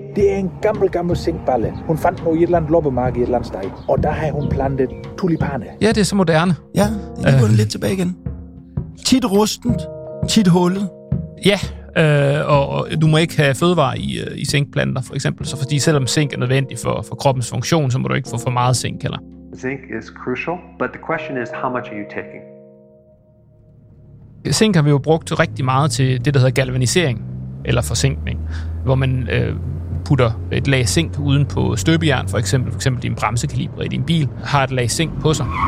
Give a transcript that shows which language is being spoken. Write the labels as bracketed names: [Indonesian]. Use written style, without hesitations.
[Danish] Det er en gammel zinkballe. Hun fandt den i et eller andet loppemarked i et eller andet sted, og der har hun plantet tulipaner. Ja, det er så moderne. Ja, det går den lidt tilbage igen. Tit rustent, tit hullet. Ja, og du må ikke have fødevarer i zinkplanter, for eksempel. Så fordi selvom zink er nødvendig for kroppens funktion, så må du ikke få for meget zink heller. [English] Zink is crucial, but the question is, how much are you taking? [Danish] Zink har vi jo brugt rigtig meget til det, der hedder galvanisering, eller forzinkning, hvor man putter et lag zink uden på støbejern, for eksempel din bremsekaliber i din bil, har et lag zink på sig.